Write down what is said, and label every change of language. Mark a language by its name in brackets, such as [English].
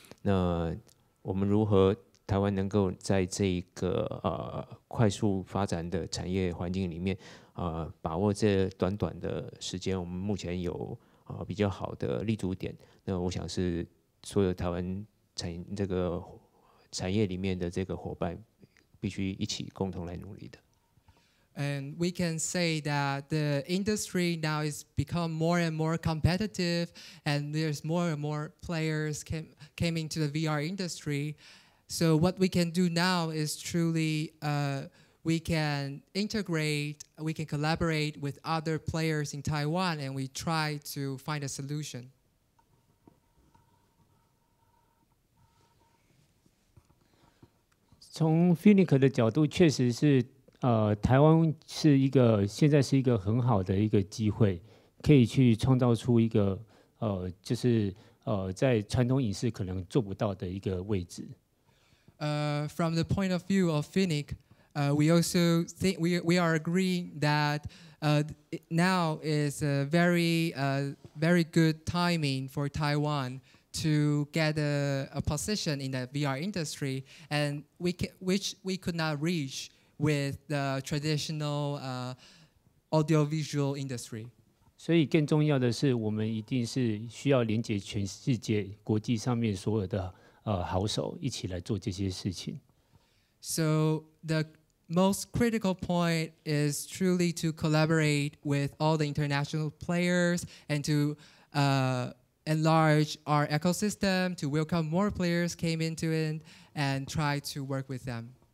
[Chinese] 那我们如何台湾能够在这个快速发展的产业环境里面把握这短短的时间，我们目前有比较好的立足点。那我想是所有台湾产业里面的这个伙伴必须一起共同来努力的。 [English] And we can say that the industry now is become more and more competitive, and there's more and more players came into the VR industry. So what we can do now is truly. We can integrate, we can collaborate with other players in Taiwan, and we try to find a solution. From [Chinese] Funique 的角度，确实是，台湾是一个现在是一个很好的一个机会，可以去创造出一个，就是，在传统影视可能做不到的一个位置。 [English] From the point of view of Funique. We also think we are agreeing that now is a very very good timing for Taiwan to get a position in the VR industry, and which we could not reach with the traditional audiovisual industry. [Chinese] 所以更重要的是，我们一定是需要连接全世界国际上面所有的好手一起来做这些事情。 [English] So the most critical point is truly to collaborate with all the international players and to enlarge our ecosystem to welcome more players came into it and try to work with them.